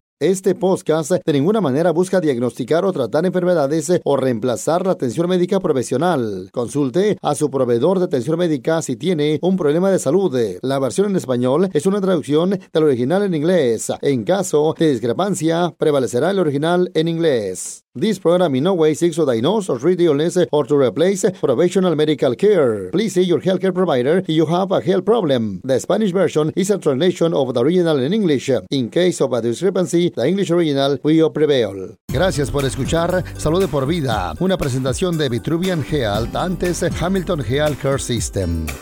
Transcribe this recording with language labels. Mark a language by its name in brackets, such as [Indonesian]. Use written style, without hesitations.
[Spanish] Este podcast de ninguna manera busca diagnosticar o tratar enfermedades o reemplazar la atención médica profesional. Consulte a su proveedor de atención médica si tiene un problema de salud. La versión en español es una traducción del original en inglés. En caso de discrepancia, prevalecerá el original en inglés. [English] This program in no way seeks to diagnose or treat illness or to replace professional medical care. Please see your healthcare provider if you have a health problem. The Spanish version is a translation of the original in English. In case of a discrepancy, the English original will prevail. [Spanish] Gracias por escuchar Salud de por Vida, una presentación de Vitruvian Health, antes Hamilton Health Care System.